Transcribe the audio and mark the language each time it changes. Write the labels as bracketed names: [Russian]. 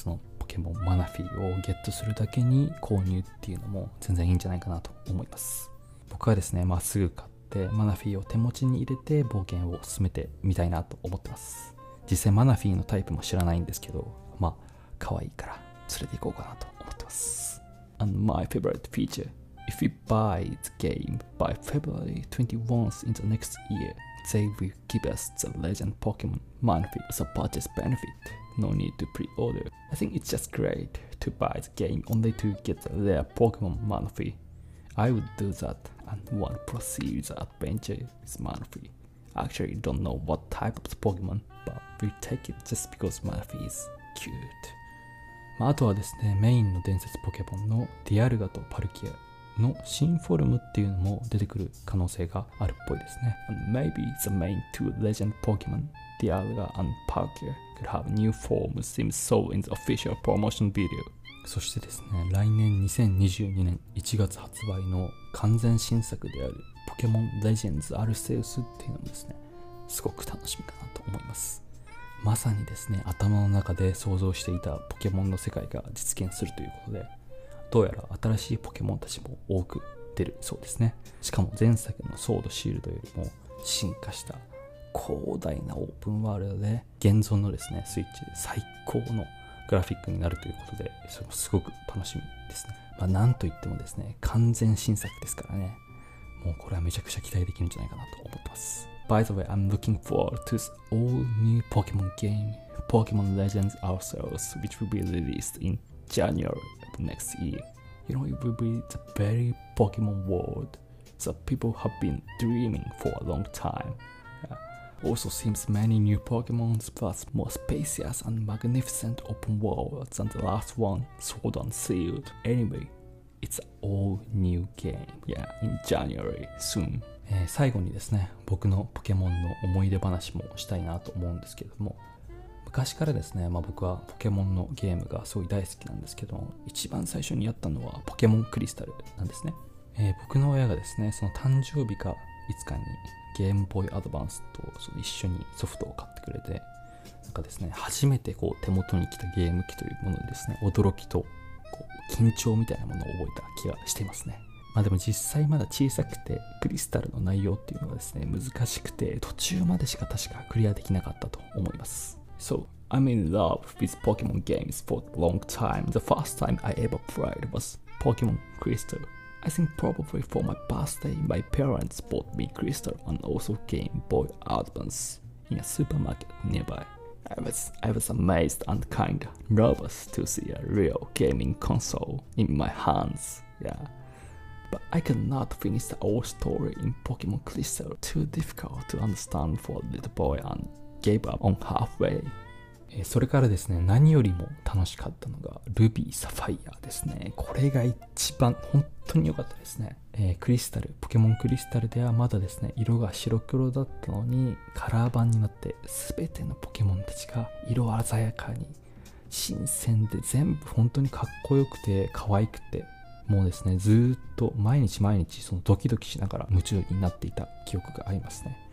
[Japanese] そのポケモンマナフィーをゲットするだけに購入っていうのも全然いいんじゃないかなと思います。僕はですね、まっすぐ買ってでマナフィーを手持ちに入れて冒険を進めてみたいなと思ってます。実際マナフィーのタイプも知らないんですけど、まあ可愛いから連れて行こうかなと思ってます。 [English] And my favorite feature, if you buy the game by February 21st in the next year, they will give us the legend Pokemon Manaphy as a purchase benefit. No need to pre-order. I think it's just great to buy the game only to get the rare Pokemon ManaphyI would do that and want to proceed the adventure with Manaphy. Actually, don't know what type of Pokemon, but we'll take it just because Manaphy is cute. [Japanese] まあ、あとはですね、メインの伝説ポケモンのディアルガとパルキアの新フォルムっていうのも出てくる可能性があるっぽいですね。 [English] And maybe the main two legend Pokemon, Dialga and Palkia, could have new forms seems so in the official promotion video. [Japanese] そしてですね、来年2022年1月発売の完全新作であるポケモンレジェンズアルセウスっていうのもですね、すごく楽しみかなと思います。まさにですね、頭の中で想像していたポケモンの世界が実現するということで、どうやら新しいポケモンたちも多く出るそうですね。しかも前作のソードシールドよりも進化した広大なオープンワールドで、現存のですね、スイッチで最高のグラフィックになるということで、それもすごく楽しみですね。まあ、なんといってもですね、完全新作ですからね、もうこれはめちゃくちゃ期待できるんじゃないかなと思ってます。 [English] By the way, I'm looking forward to this all new Pokemon game, Pokemon Legends Arceus, which will be released in January of next year. You know, it will be the very Pokemon world that people have been dreaming for a long time. Also seems many new Pokemons plus more spacious and magnificent open world than the last one, Sword and Shield. Anyway, it's an all new game. Yeah, in January, soon. [Japanese] 最後にですね、僕のポケモンの思い出話もしたいなと思うんですけども、昔からですね、まあ、僕はポケモンのゲームがすごい大好きなんですけども、一番最初にやったのはポケモンクリスタルなんですね。僕の親がですね、その誕生日かいつかにゲームボーイアドバンスと一緒にソフトを買ってくれて、なんかですね、初めてこう手元に来たゲーム機というものにですね、驚きとこう緊張みたいなものを覚えた気がしていますね。まあでも実際まだ小さくて、クリスタルの内容っていうのがですね、難しくて途中までしか確かクリアできなかったと思います。 [English] So I'm in love with Pokemon games for a long time. The first time I ever played was Pokemon Crystal. I think probably for my birthday, my parents bought me Crystal and also Game Boy Advance in a supermarket nearby. I was amazed and kind of nervous to see a real gaming console in my hands. Yeah. But I could not finish the whole story in Pokemon Crystal, too difficult to understand for a little boy, and gave up on halfway. [Japanese] それからですね、何よりも楽しかったのがルビーサファイアですね。これが一番本当に良かったですね。クリスタル、ポケモンクリスタルではまだですね、色が白黒だったのにカラー版になって、全てのポケモンたちが色鮮やかに新鮮で、全部本当にかっこよくて可愛くて、もうですね、ずっと毎日毎日そのドキドキしながら夢中になっていた記憶がありますね。